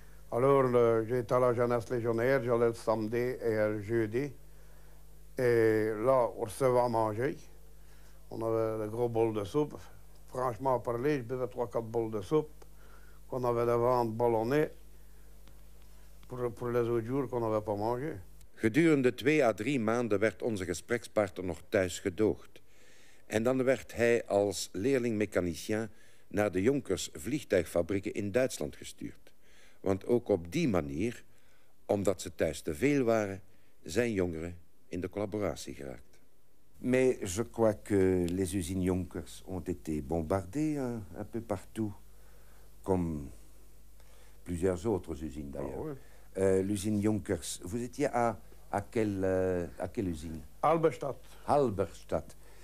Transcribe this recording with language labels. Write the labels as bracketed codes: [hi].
[fr] Alors, j'étais à la jeunesse légionnaire, j'allais le samedi et le jeudi, et là, on recevait à manger, on avait de gros bols de soupe. Franchement, à parler, je buvais 3-4 bols de soupe qu'on avait devant ballonnés pour les autres jours qu'on n'avait pas mangé. [nl] Gedurende 2 à 3 maanden werd onze gesprekspartner nog thuis gedoogd. En dan werd hij als leerling-mechanicien naar de Jonkers vliegtuigfabrieken in Duitsland gestuurd. Want ook op die manier, omdat ze thuis te veel waren, zijn jongeren in de collaboratie geraakt. [fr] Mais je crois que les usines Jonkers ont été bombardées un peu partout, comme plusieurs autres usines d'ailleurs. Oh, oui. L'usine Jonkers, vous étiez à quelle usine? Halberstadt. Halberstadt.